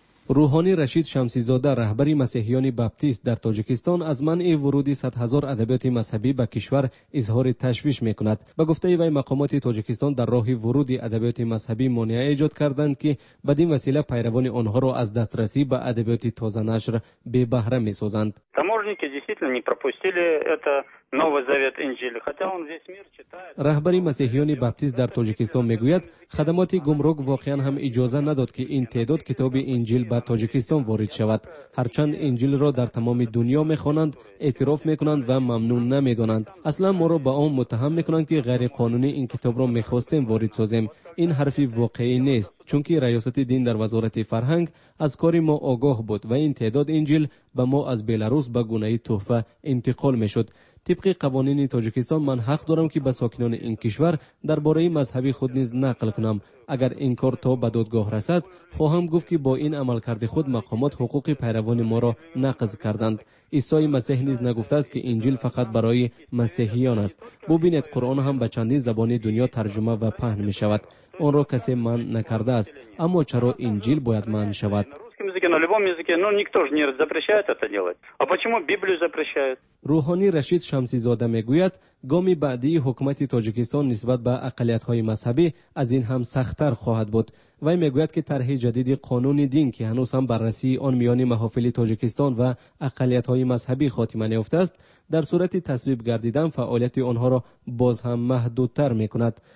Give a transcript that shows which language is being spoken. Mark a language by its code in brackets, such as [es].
[fa] روحانی رشید شمسیزاده رهبری مسیحیان بپتیست در تاجیکستان از منع ورود 100,000 ادبیات مذهبی به کشور اظهار تشویش میکند. به گفته وی مقامات تاجیکستان در راه ورود ادبیات مذهبی مانع ایجاد کردند که بدین وسیله پیروان آنها را از دسترسی به ادبیات تازه نشر بی بهره میسازند. [ru] تاموژنیکی действительно не пропустили это Новый Завет Инжил, хотя он весь мир читает. [fa] رهبری مسیحیان بپتیست در تاجیکستان میگوید خدمات گمرک واقعا هم اجازه نداد که این تعداد کتاب انجیل به تاجیکستان وارد شود. هرچند انجیل را در تمام دنیا میخوانند، اعتراف میکنند و ممنون نمیدانند. اصلا ما را به آن متهم میکنند که غیر قانونی این کتاب را میخواستیم وارد سازیم. این حرفی واقعی نیست، چون که ریاست دین در وزارت فرهنگ از کار ما آگاه بود و این تعداد انجیل به ما از بلاروس به گونه تحفه انتقال میشد. طبق قوانین تاجیکستان من حق دارم که به ساکنان این کشور درباره مذهبی خود نیز نقل کنم. اگر این کار تا به دادگاه رسد، خواهم گفت که با این عمل کرده خود مقامات حقوق پیروان ما را نقض کردند. عیسی مسیح نیز نگفته است که انجیل فقط برای مسیحیان است. ببینید قرآن هم به چندی زبانی دنیا ترجمه و پهن می شود. اون را کسی من نکرده است. اما چرا انجیل باید من شود؟ [ru] на любом языке, но никто же не запрещает это делать. А почему Библию запрещают? [tg] Рухани Рашид Шамсизода мегуят, гоми бади хукмати Таджикистан нисбат ба ақлиятҳои мазҳабӣ аз ин ҳам сахттар хоҳад буд. Вай мегуят ки тарҳи ҷадиди қонуни дин ки ҳанӯз ҳам баррасии он миёни маҳофили Таджикистан ва ақлиятҳои мазҳабӣ хотима неёфтааст, дар сурати тасвиб гардидан фаъолияти онҳоро боз ҳам маҳдудтар мекунад.